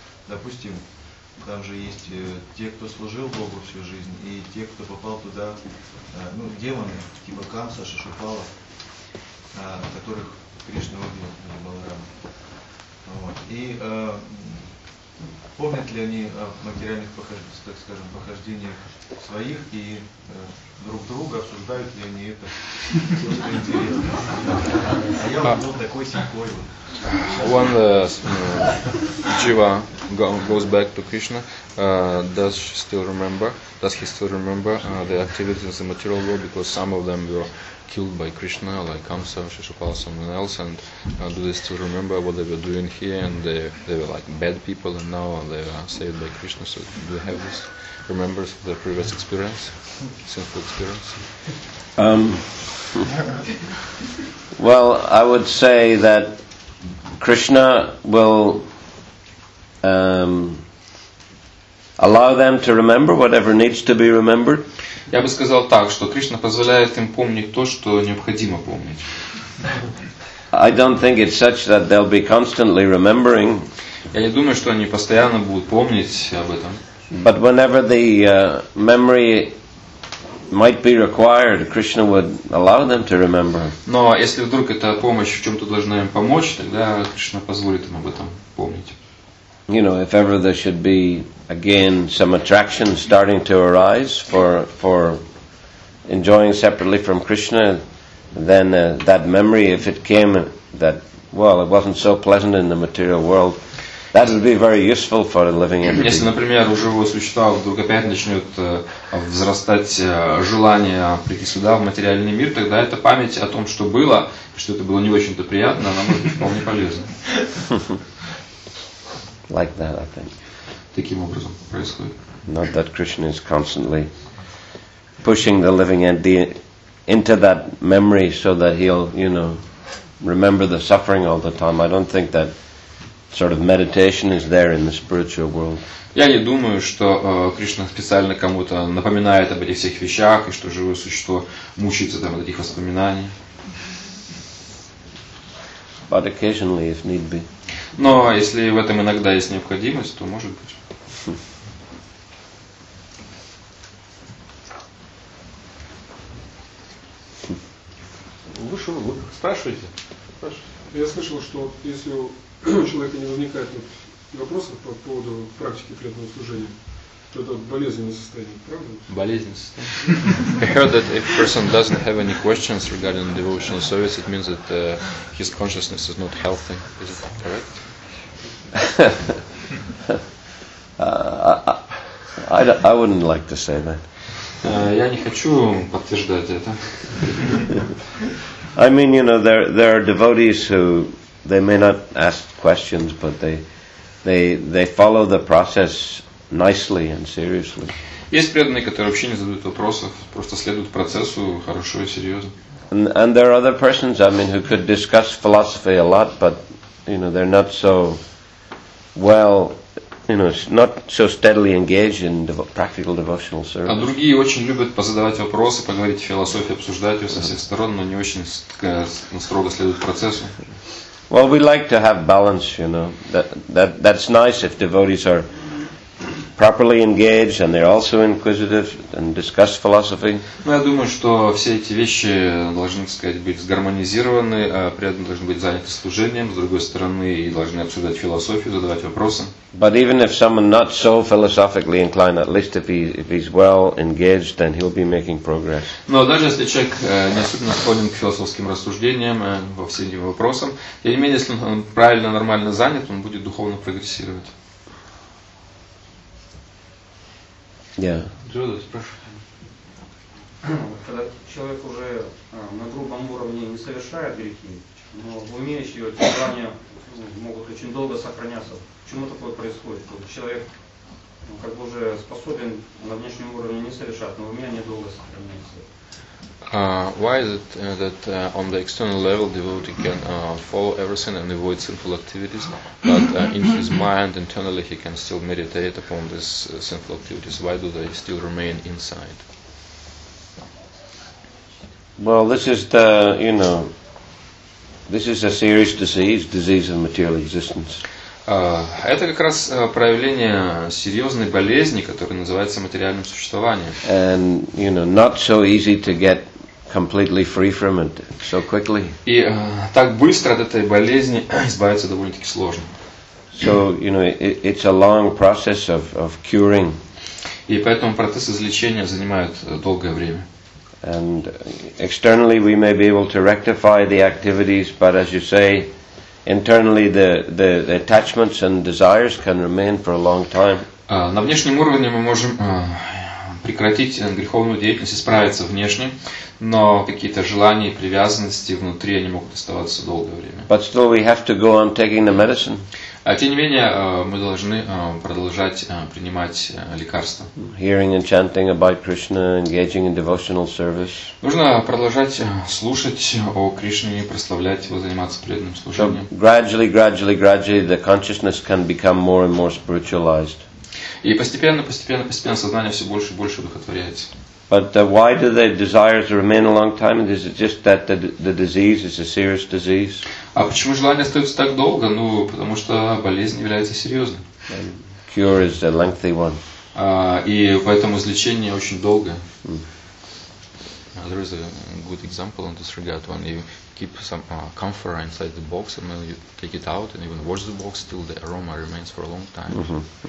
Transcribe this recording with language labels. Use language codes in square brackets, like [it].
[ru] Допустим, там же есть те, кто служил Богу всю жизнь, и те, кто попал туда, ну, демоны, типа Камса, Шишупала, которых Кришна убил, Баларама. Вот. И помнят ли они о материальных похождениях, так скажем, похождениях своих и друг друга, обсуждают ли они это? Просто интересно. А я вот был такой сикой. [en] When the jiva goes back to Krishna, does he still remember the activities of the material world, because some of them were killed by Krishna, like Kamsa, Shishupala, someone else, and do they still remember what they were doing here, and they were like bad people, and now they are saved by Krishna, so do they have this remembrance of their previous experience, sinful experience? Well, I would say that Krishna will allow them to remember whatever needs to be remembered. [ru] Я бы сказал так, что Кришна позволяет им помнить то, что необходимо помнить. [en] I don't think it's such that they'll be constantly remembering. [ru] Я не думаю, что они постоянно будут помнить об этом. [en] But whenever the memory might be required, Krishna would allow them to remember. [ru] Но если вдруг эта помощь в чем-то должна им помочь, тогда Кришна позволит им об этом помнить. [en] You know, if ever there should be again some attraction starting to arise for enjoying separately from Krishna, then that memory, if it came that, well, it wasn't so pleasant in the material world, that would be very useful for a living entity. [ru] Если, например, у живого существа вдруг опять начнет взрастать желание прийти сюда, в материальный мир, тогда эта память о том, что было, что это было не очень-то приятно, она может быть вполне полезна. [en] Like that, I think. [ru] Таким образом происходит. [en] Not that Krishna is constantly pushing the living entity into that memory so that he'll, you know, remember the suffering all the time. I don't think that sort of meditation is there in the spiritual world. [ru] Я не думаю, что Кришна специально кому-то напоминает об этих всех вещах и что живое существо мучается там от этих воспоминаний. [en] But occasionally, if need be. [ru] Но если в этом иногда есть необходимость, то может быть. Вы спрашиваете? Я слышал, что если у человека не возникает вот вопросов по поводу практики преданного служения, то это болезненное состояние, правда? Болезненное состояние. [en] I heard that if a person doesn't have any questions regarding devotional service, it means that his consciousness is not healthy. Is it correct? I wouldn't like to say that. [ru] Я не хочу подтверждать это. [en] I mean, you know, there are devotees who they may not ask questions, but they follow the process nicely and seriously. [ru] Есть преданные, которые вообще не задают вопросов, просто следуют процессу хорошо и серьезно. [en] And there are other persons, I mean, who could discuss philosophy a lot, but you know, they're not so well, you know, not so steadily engaged in practical devotional service. [ru] А другие очень любят позадавать вопросы, поговорить о философии, обсуждать ее со всех сторон, но не очень строго следуют процессу. [en] Well, we like to have balance, you know. That's nice if devotees are properly engaged and they're also inquisitive and discuss philosophy. [ru] Ну, я думаю, что все эти вещи должны, так сказать, быть сгармонизированы, а при этом должны быть заняты служением, с другой стороны, и должны обсуждать философию, задавать вопросы. [en] But even if someone not so philosophically inclined, at least if he's well engaged, then he'll be making progress. [ru] Но даже если человек не особенно склонен к философским рассуждениям во всем его вопросам, тем не менее, если он правильно, нормально занят, он будет духовно прогрессировать. [en] Yeah. [ru] Когда человек уже на грубом уровне не совершает грехи, но в уме еще его деяния могут очень долго сохраняться. Почему такое происходит? Человек как бы уже способен на внешнем уровне не совершать, но в уме они долго сохраняются. [en] Why is it that on the external level devotee can follow everything and avoid sinful activities, but in his mind internally he can still meditate upon these sinful activities? Why do they still remain inside? Well, this is the, you know, this is a serious disease of material existence. [ru] Это как раз проявление серьезной болезни, которая называется материальным существованием. [en] And, you know, not so easy to get completely free from it so quickly. [ru] И так быстро от этой болезни избавиться довольно-таки сложно. [en] So, you know, it's a long process of curing. [ru] И поэтому процесс излечения занимает долгое время. [en] And externally we may be able to rectify the activities, but as you say, internally the attachments and desires can remain for a long time. [ru] На внешнем уровне мы можем прекратить греховную деятельность и справиться внешне, но какие-то желания и привязанности внутри, они могут оставаться долгое время. [en] But still we have to go on taking the medicine. [ru] А тем не менее, мы должны продолжать принимать лекарства. [en] Hearing and chanting about Krishna, engaging in devotional service. [ru] Нужно продолжать слушать о Кришне, прославлять его, заниматься преданным служением. [en] So gradually the consciousness can become more and more spiritualized. [ru] И постепенно сознание все больше и больше одухотворяется. [en] But why do the desires remain a long time? Is it just that the disease is a serious disease? [ru] А почему желание остается так долго? Ну, потому что болезнь является серьезной. [en] And cure is a lengthy one. [ru] И поэтому излечение очень долгое. [en] There is a good example in this regard. When you keep some camphor inside the box and then you take it out and even wash the box, still the aroma remains for a long time.